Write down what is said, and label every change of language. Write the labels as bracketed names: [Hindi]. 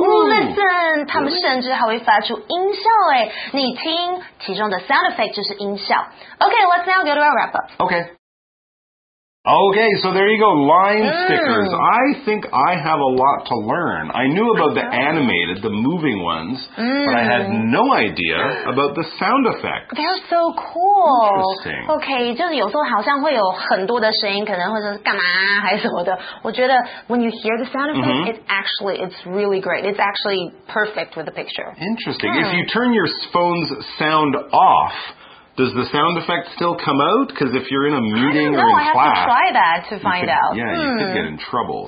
[Chinese] listen, 他们甚至还会发出音效诶，你听，其中的 sound effect 就是音效。 [English] Okay, let's now go to our wrap up. Okay. Okay, so there you go, line stickers. I think I have a lot to learn. I knew about the animated, the moving ones, but I had no idea about the sound effects. They're so cool. Interesting. [Chinese] Okay, 就是有时候好像会有很多的声音，可能会说干嘛还是什么的。我觉得 [English] when you hear the sound effect, it's really great. It's actually perfect with the picture. Interesting. If you turn your phone's sound off,Does the sound effect still come out? Because if you're in a meeting or in class... I don't know. I have to try that to find out. Yeah, you could get in trouble.